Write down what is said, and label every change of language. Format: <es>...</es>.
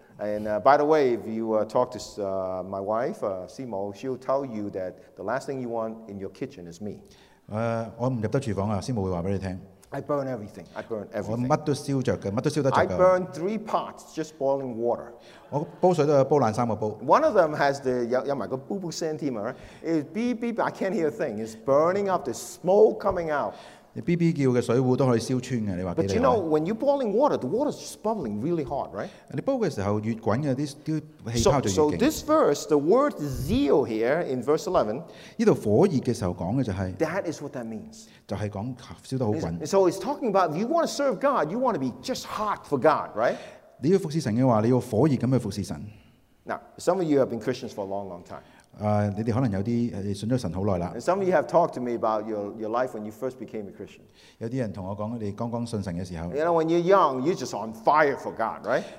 <en>And by the way, if you talk to my wife, Simo, she'll tell you that the last thing you want in your kitchen is me.</en> <yue>我唔入得廚房啊，Simo會話俾你聽。</yue> <en>I burn everything.</en> <yue>我乜都燒著嘅，乜都燒得著嘅。</yue> <en>I burn three pots just boiling water.</en> <yue>我煲水都有煲爛三個煲。</yue> <en>One of them has the</en> <yue>有埋個</yue> <en>bubble sound team, right? It's beep beep. I can't hear a thing. It's burning up. The smoke coming out.</en> <yue>你 beep beep 叫嘅水壺都可以燒穿嘅，你話幾厲害</yue> <en>？But you know, when you're boiling water, the water's just bubbling really hot, right?</en> <yue>你煲嘅時候越滾嘅啲氣泡就越勁。</yue> <en>So this verse, the word zeal here in verse 11,</en> <yue>依度火熱嘅時候講嘅就係。</yue> <en>That is what that means.</en> <yue>就係講燒得好滾。</yue> <en>So it's talking about if you want to serve God, you want to be just hot for God, right?</en> <yue>你要服侍神嘅話，你要火熱咁去服侍神。</yue> <en>Now, some of you have been Christians for a long, long time.</en> <yue>你哋可能有啲信咗神好耐啦。</yue> <en>And some of you have talked to me about your life when you first became a Christian.</en> <yue>有啲人同我講，你剛剛信神嘅時候。</yue> <en>You know, when you're young, you're just on fire for God, right?</en>